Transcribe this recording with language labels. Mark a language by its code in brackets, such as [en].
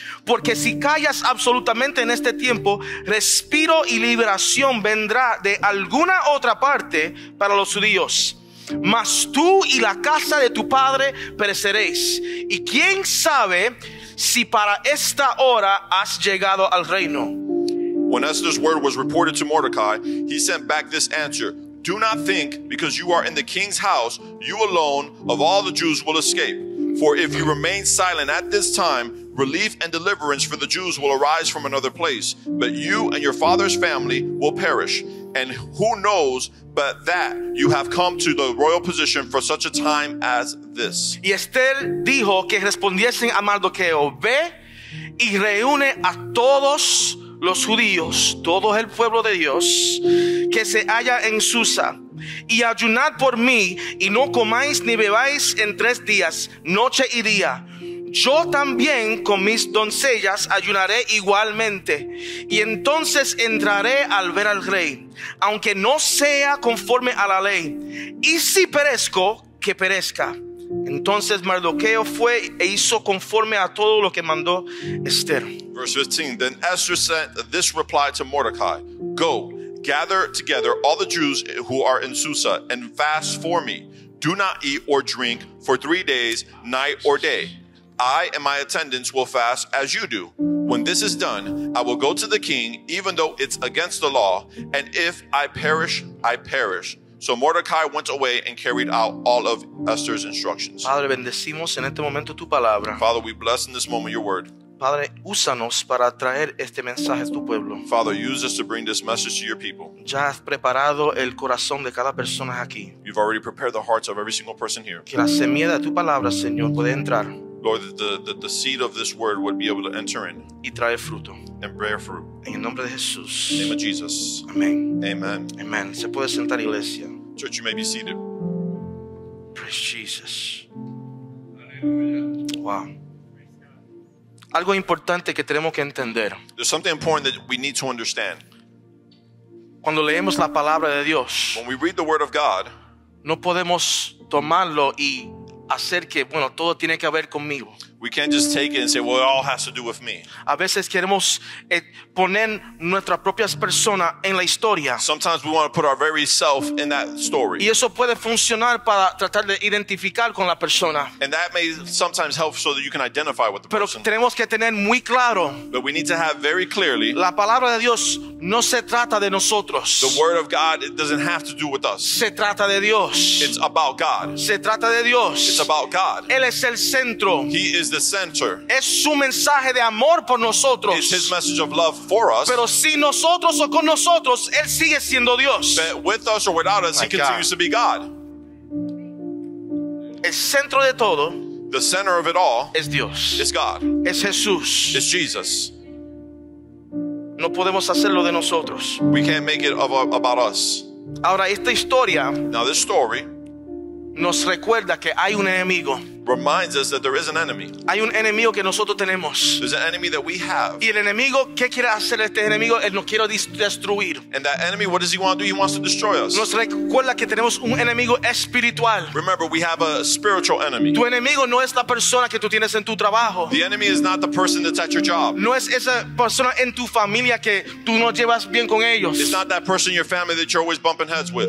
[es] Porque si callas absolutamente en este tiempo, respiro y liberación vendrá de alguna otra parte para los judíos. Mas tú y la casa de tu padre pereceréis. Y quién sabe si para esta hora has llegado al reino. [en] When Esther's word was reported to Mordecai, he sent back this answer. Do not think because you are in the king's house, you alone of all the Jews will escape. For if you remain silent at this time, relief and deliverance for the Jews will arise from another place, but you and your father's family will perish. And who knows but that you have come to the royal position for such a time as this. [es] Y Esther dijo que respondiesen a Mardoqueo, ve y reúne a todos los judíos, todo el pueblo de Dios, que se halla en Susa. Y ayunad por mí y no comáis ni bebáis en 3 días, noche y día. Yo también con mis doncellas ayunaré igualmente. Y entonces entraré al ver al rey, aunque no sea conforme a la ley. Y si perezco, que perezca. Entonces Mardoqueo fue e hizo conforme a todo lo que mandó Esther. [en] Verse 15, then Esther sent this reply to Mordecai, go. Gather together all the Jews who are in Susa and fast for me. Do not eat or drink for 3 days, night or day. I and my attendants will fast as you do. When this is done, I will go to the king, even though it's against the law. And if I perish, I perish. So Mordecai went away and carried out all of Esther's instructions. [es] Padre, bendecimos en este momento tu palabra. [en] Father, we bless in this moment your word. [es] Padre, úsanos para traer este mensaje a tu pueblo. [en] Father, use us to bring this message to your people. [es] Ya has preparado el corazón de cada persona aquí. [en] You've already prepared the hearts of every single person here. [es] Que la semilla de tu palabra, Señor, puede entrar. [en] Lord, the seed of this word would be able to enter in. [es] Y traer fruto. [en] And bear fruit. [es] En el nombre de Jesús. [en] In the name of Jesus. [es] Amén. [en] Amen. [es] Amen. Se puede sentar, iglesia. [en] Church, you may be seated. Praise Jesus. [es] Aleluya. Wow. Algo importante que tenemos que entender. [en] There's something important that we need to understand. [es] Cuando leemos la palabra de Dios, [en] when we read the word of God, [es] no podemos tomarlo y hacer que, bueno, todo tiene que ver conmigo. [en] We can't just take it and say, well, it all has to do with me. [es] A veces queremos poner nuestras propias personas en la historia. [en] Sometimes we want to put our very self in that story. [es] Y eso puede funcionar para tratar de identificar con la persona. [en] And that may sometimes help so that you can identify with the [es] Pero [en] person. [es] Pero tenemos que tener muy claro. [en] But we need to have very clearly. [es] La palabra de Dios no se trata de nosotros. [en] The word of God, it doesn't have to do with us. [es] Se trata de Dios. [en] It's about God. [es] Se trata de Dios. [en] It's about God. [es] Él es el centro. [en] He is the center. [es] Es su mensaje de amor por nosotros. [en] It's his message of love for us. [es] Pero si nosotros o con nosotros, él sigue siendo Dios. [en] But with us or without us, he continues to be God. [es] El centro de todo, [en] the center of it all, [es] es Dios. [en] Is God. [es] Es Jesús. [en] Is Jesus. [es] No podemos hacerlo de nosotros. [en] We can't make it about us. [es] Ahora esta historia, [en] now this story, [es] nos recuerda que hay un enemigo. [en] Reminds us that there is an enemy. [es] Hay un enemigo que nosotros tenemos. [en] There's an enemy that we have. [es] Y el enemigo, ¿qué quiere hacer este enemigo? Él nos quiere destruir. [en] And that enemy, what does he want to do? He wants to destroy us. [es] Nos recuerda que tenemos un enemigo espiritual. [en] Remember, we have a spiritual enemy. [es] Tu enemigo no es la persona que tú tienes en tu trabajo. [en] The enemy is not the person that's at your job. [es] No es esa persona en tu familia que tú no llevas bien con ellos. [en] It's not that person in your family that you're always bumping heads with.